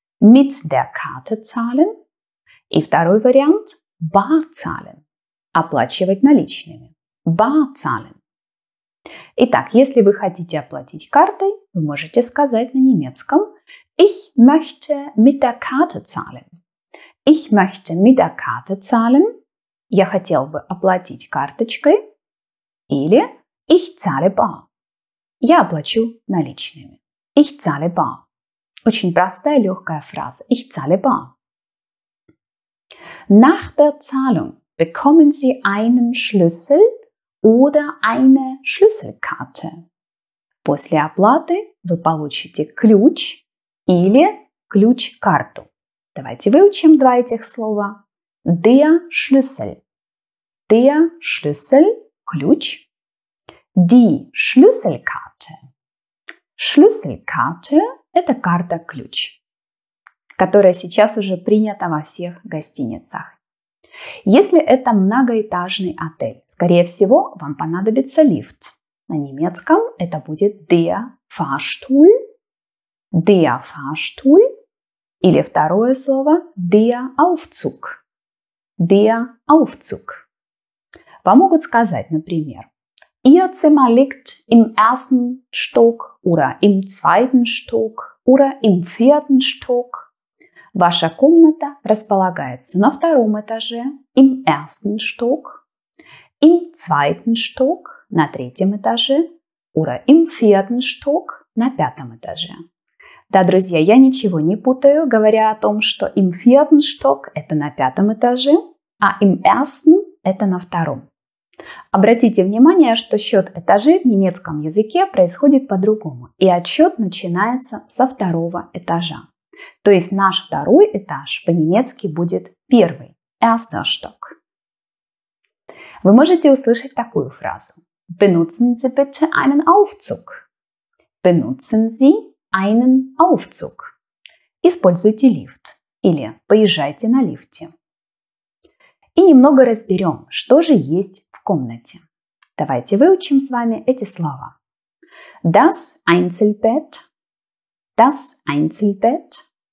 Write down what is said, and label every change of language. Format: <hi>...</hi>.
<de>Mit der Karte zahlen.</de> <ru>И второй вариант –</ru> <de>bar zahlen</de> <ru>– оплачивать наличными.</ru> <de>Bar zahlen.</de> <ru>Итак, если вы хотите оплатить картой, вы можете сказать на немецком</ru> <de>Ich möchte mit der Karte zahlen. Ich möchte mit der Karte zahlen.</de> <ru>Я хотел бы оплатить карточкой. Или</ru> <de>Ich zahle bar.</de> <ru>Я оплачу наличными.</ru> <de>Ich zahle bar.</de> <ru>Очень простая, легкая фраза.</ru> <de>Ich zahle bar. Nach der Zahlung bekommen Sie einen Schlüssel oder eine Schlüsselkarte.</de> <ru>После оплаты вы получите ключ или ключ-карту. Давайте выучим два этих слова.</ru> <de>Der Schlüssel. Der Schlüssel,</de> <ru>ключ.</ru> <de>Die Schlüsselkarte.</de> <ru>Schlüsselkarte – это карта-ключ, которая сейчас уже принята во всех гостиницах. Если это многоэтажный отель, скорее всего, вам понадобится лифт. На немецком это будет der Fahrstuhl.</ru> <de>Der Fahrstuhl.</de> <ru>Или второе слово der Aufzug.</ru> <de>Der Aufzug.</de> <ru>Вам могут сказать, например,</ru> <de>Ihr Zimmer liegt im ersten Stock oder im zweiten Stock oder im vierten Stock.</de> <ru>Ваша комната располагается на втором этаже,</ru> <de>im ersten Stock, im zweiten Stock,</de> <ru>на третьем этаже</ru> <de>oder im vierten Stock,</de> <ru>на пятом этаже. Да, друзья, я ничего не путаю, говоря о том, что</ru> <de>im vierten Stock</de> <ru>– это на пятом этаже, а</ru> <de>im ersten</de> <ru>– это на втором. Обратите внимание, что счет этажей в немецком языке происходит по-другому, и отсчет начинается со второго этажа. То есть наш второй этаж по-немецки будет первый –</ru> <de>erster Stock.</de> <ru>Вы можете услышать такую фразу.</ru> <de>Benutzen Sie bitte einen Aufzug. Benutzen Sie einen Aufzug.</de> <ru>Используйте лифт или поезжайте на лифте. И немного разберем, что же есть в комнате. Давайте выучим с вами эти слова.</ru> <de>Das Einzelbett. Das Einzelbett.</de>